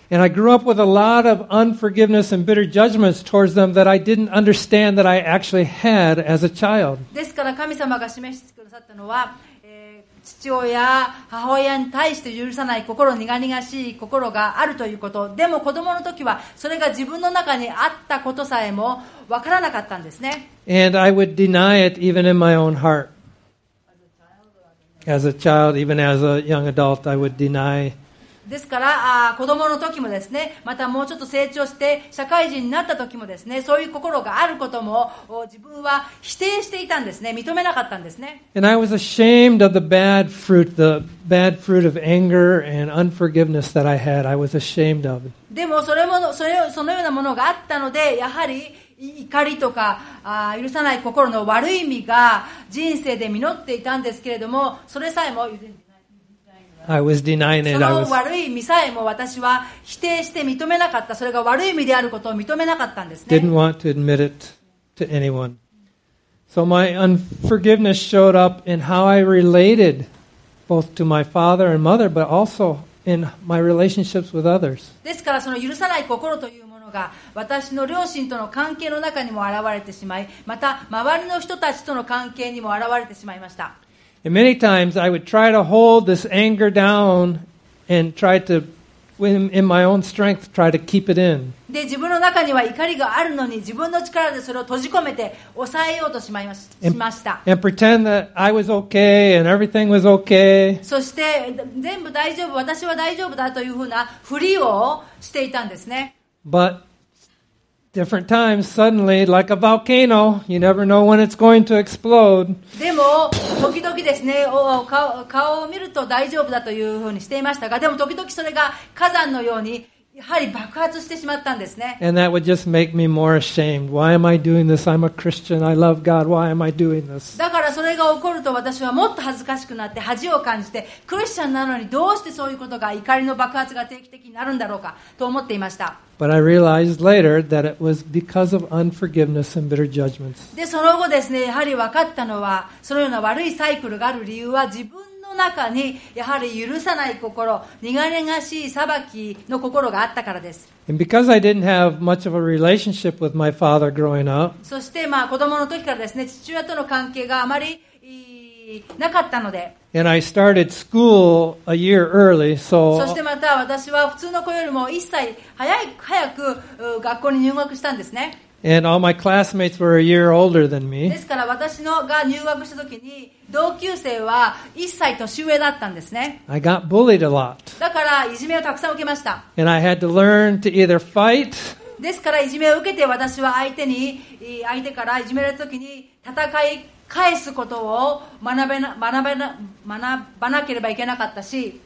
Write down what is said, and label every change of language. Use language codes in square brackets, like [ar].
[en] And I grew up with a lot of unforgiveness and bitter judgments towards them that I didn't understand that I actually had as a child. [ja] ですから神様が示してくださったのは、父親、母親に対して許さない心、苦々しい心があるということ。でも子供の時はそれが自分の中にあったことさえもわからなかったんですね。 [en] And I would deny it even in my own heart. As a child, even as a young adult, I would deny. [ja] ですから、子供の時もですね、またもうちょっと成長して社会人になった時もですね、そういう心があることも自分は否定していたんですね、認めなかったんですね。 [en] And I was ashamed of the bad fruit of anger and unforgiveness that I had. I was ashamed of it. [ja] でもそのようなものがあったので、やはり怒りとか許さない心の悪い意味が人生で実っていたんですけれども、それさえも [en] I was denying it. [ja] その悪い意味さえも私は否定して認めなかった。それが悪い意味であることを認めなかったんですね。 [en] Didn't want to admit it to anyone. So my unforgiveness showed up in how I related both to my father and mother but also in my relationships with others. [ja] ですからその許さない心という私の両親との関係の中にも現れてしまい、また周りの人たちとの関係にも現れてしまいました。 [en] And many times I would try to hold this anger down and try to in my own strength try to keep it in. [ja] で、自分の中には怒りがあるのに自分の力でそれを閉じ込めて抑えようとしました。 [en] And pretend that I was okay and everything was okay. [ja] そして全部大丈夫、私は大丈夫だというふうなふりをしていたんですね。 [en] But different times, suddenly, like a volcano, you never know when it's going to explode. [ja] でも時々ですね、顔を見ると大丈夫だというふうにしていましたが、でも時々それが火山のようにやはり爆発してしまったんですね。 [en] And that would just make me more ashamed. Why am I doing this? I'm a Christian. I love God. Why am I doing this? [ja] だからそれが起こると私はもっと恥ずかしくなって恥を感じて、クリスチャンなのにどうしてそういうことが怒りの爆発が定期的になるんだろうかと思っていました。 [en] But I realized later that it was because of unforgiveness and bitter judgments. [ja] で、その後ですね、やはり分かったのは、そのような悪いサイクルがある理由は、自分の中にやはり許さない心、苦々しい裁きの心があったからです。 [en] And because I didn't have much of a relationship with my father growing up, [ja] そしてまあ子供の時からですね、父親との関係があまりなかったので、 [en] And I started school a year early, so... [ja] そしてまた私は普通の子よりも1歳早く学校に入学したんですね。 [en] And all my classmates were a year older than me. [ja] ですから私のが入学した時に同級生は1歳年上だったんですね。 [en] I got bullied a lot. [ja] だからいじめをたくさん受けました。 [en] And I had to learn to either fight... [ja] ですからいじめを受けて私は相手からいじめられた時に戦い返すことを学ばなければいけなかったし